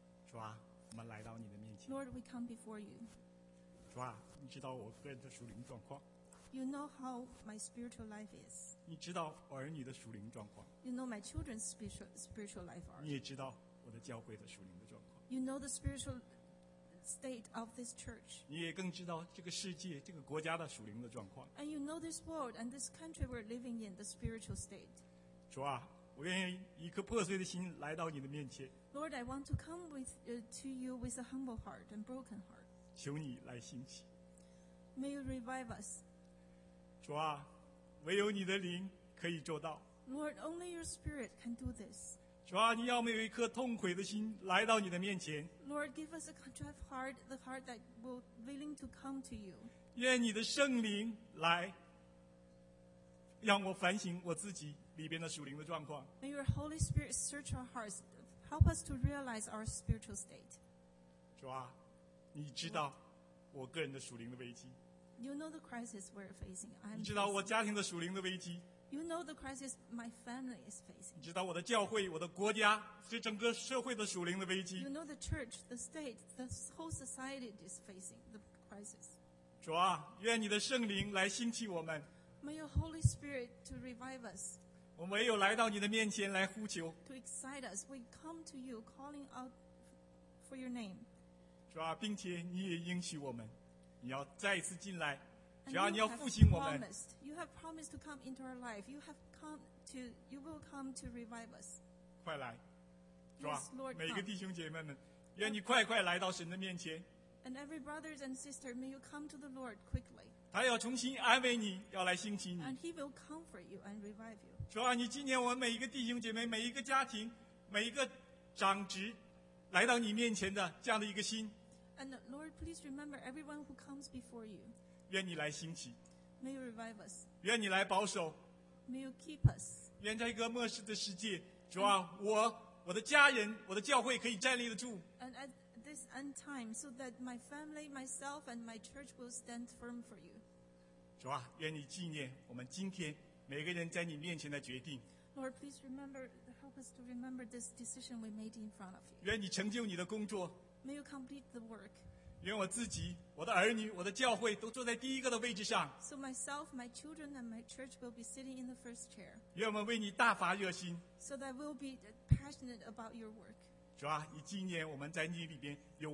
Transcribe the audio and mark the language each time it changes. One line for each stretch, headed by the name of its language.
Chinese: 主啊，我们来到你的面前。
English: Lord, we come before you.
Chinese: 主啊，你知道我个人的属灵状况。
English: You know how my spiritual life is.
Chinese: 你知道儿女的属灵状况。
English: You know my children's spiritual life are.
Chinese: 你也知道我的教会的属灵的状况。
English: You know the spiritual state of this church.
Chinese: 你也更知道这个世界、这个国家的属灵的状况。
English: And you know this world and this country we're living in, the spiritual state.
Chinese: 主啊。我愿意一颗破碎的心来到你的面前。
English: Lord, I want to come to you with a humble heart and broken heart.
Chinese: 求你来兴起。
English: May you revive us.
Chinese: 主啊，唯有你的灵可以做到。
English: Lord, only your spirit can do this.
Chinese: 主啊，你要我们有一颗痛悔的心来到你的面前。
English: Lord, give us a contrite heart, the heart that will willing to come to you.
Chinese: 愿你的圣灵来，让我反省我自己里边的属灵的状况。
English: May your Holy Spirit search our hearts, help us to realize our spiritual state.
Chinese: 主啊，你知道我个人的属灵的危机。
English: You know the crisis we're facing.
Chinese: 你知道我家庭的属灵的危机。
English: You know the crisis my family is facing.
Chinese: 你知道我的教会、我的国家、这整个社会的属灵的危机。
English: You know the church, the state, the whole society is facing the crisis.
Chinese: 主啊，愿你的圣灵来兴起我们。
English: May your Holy Spirit to revive us.
Chinese: 我们唯有来到你的面前来呼求。
English: To excite us, we come to you calling out for your name.
Chinese: 主啊，并且你也应许我们，你要再次进来。只要你要复兴我们。
English: You have promised to come into our life. You have come to, you will come to revive us.
Chinese: 快来，主啊！
English: Yes, Lord,
Chinese: 每个弟兄姐妹们，愿你快快来到神的面前。
English: And every brothers and sister, may you come to the Lord quickly.
Chinese: 他要重新安慰你，要来兴起你。
English: And he will comfort you and revive you.
Chinese: 主啊，你纪念我们每一个弟兄姐妹、每一个家庭、每一个长职来到你面前的这样的一个心。
English: And Lord, please remember everyone who comes before you.
Chinese: 愿你来兴起。
English: May you revive us.
Chinese: 愿你来保守。
English: May you keep us.
Chinese: 愿在一个末世的世界，主啊，我的家人、我的教会可以站立得住。
English: And at this end time, so that my family, myself, and my church will stand firm for you.
Chinese: 主啊，愿你纪念我们今天每个人在你面前的决定。
English: Lord, please remember, help us to remember this decision we made in front of you.
Chinese: 愿你成就你的工作。
English: May you complete the work.
Chinese: 愿我自己、我的儿女、我的教会都坐在第一个的位置上。
English: So myself, my children, and my church will be sitting in the first chair.
Chinese: 愿我们为你大发热心。
English: So that we'll be passionate about your work.
Chinese: 主啊，以纪念我们在你里边有。